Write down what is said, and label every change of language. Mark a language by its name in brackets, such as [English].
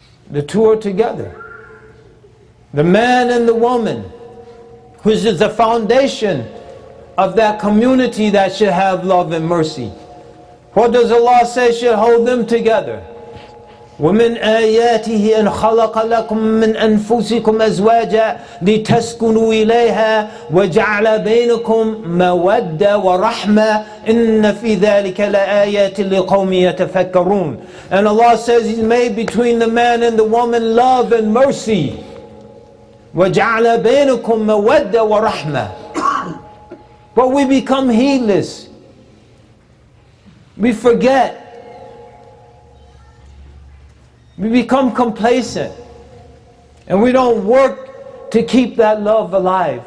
[English] The two are together. The man and the woman, which is the foundation of that community that should have love and mercy. What does Allah say should hold them together? [Arabic] وَمِنْ آيَاتِهِ أَنْ خَلَقَ لَكُمْ مِنْ أَنْفُسِكُمْ أَزْوَاجًا لِتَسْكُنُوا إِلَيْهَا وَجَعْلَ بَيْنَكُمْ مَوَدَّةً وَرَحْمَةً إِنَّ فِي ذَلِكَ لَآيَاتٍ لِقَوْمٍ يَتَفَكَّرُونَ [English] And Allah says He's made between the man and the woman love and mercy. [Arabic] وَجَعْلَ بَيْنَكُمْ مَوَدَّةً وَرَحْمَةً [English] But we become heedless. We forget. We become complacent and we don't work to keep that love alive.